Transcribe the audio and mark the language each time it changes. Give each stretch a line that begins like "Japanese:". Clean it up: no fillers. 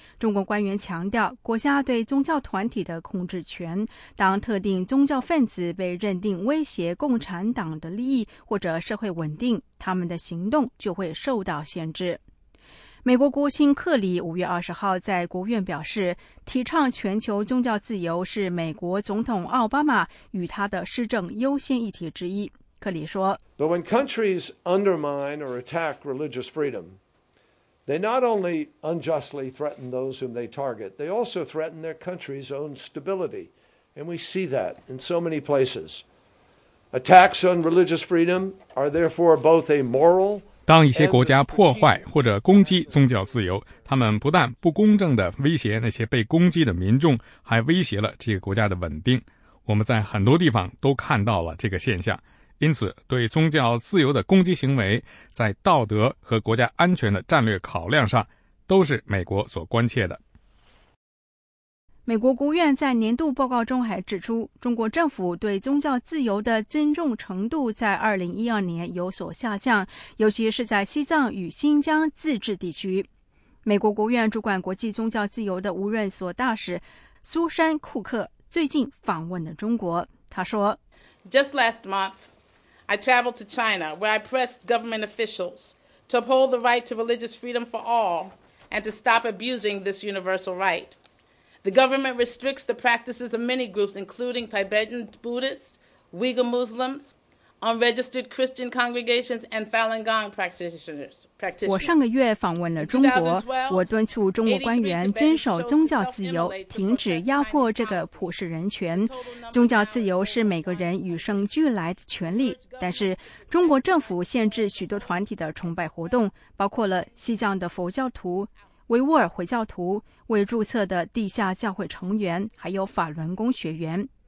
Chinese: 中国官员强调国家对宗教团体的控制权，当特定宗教分子被认定威胁共产党的利益或者社会稳定，他们的行动就会受到限制。美国国务卿克里5月20号在国务院表示，提倡全球宗教自由是美国总统奥巴马与他的施政优先议题之一。克里说，
English: But when countries undermine or attack religious freedom, they not only unjustly threaten those whom they target, they also threaten their country's own stability. And we see that in so many places. Attacks on religious freedom are therefore both a moral,
Chinese: 当一些国家破坏或者攻击宗教自由，他们不但不公正地威胁那些被攻击的民众，还威胁了这个国家的稳定。我们在很多地方都看到了这个现象，因此对宗教自由的攻击行为，在道德和国家安全的战略考量上，都是美国所关切的。美国国务院在年度报告中还指出，中国政府对宗教自由的尊重程度在2012年有所下降，尤其是在西藏与新疆自治地区。美国国务院主管国际宗教自由的无任所大使苏珊·库克最近访问了中国，他说
English: Just last month, I traveled to China where I pressed government officials to uphold the right to religious freedom for all and to stop abusing this universal right. The government restricts the practices of many groups, including Tibetan Buddhists, Uyghur Muslims, unregistered Christian congregations, and Falun Gong practitioners.
Chinese: 我上个月访问了中国，我敦促中国官员遵守宗教自由，停止压迫这个普世人权。宗教自由是每个人与生俱来的权利，但是中国政府限制许多团体的崇拜活动，包括了西藏的佛教徒、维吾尔回教徒、未注册的地下教会成员，还有法轮功学员。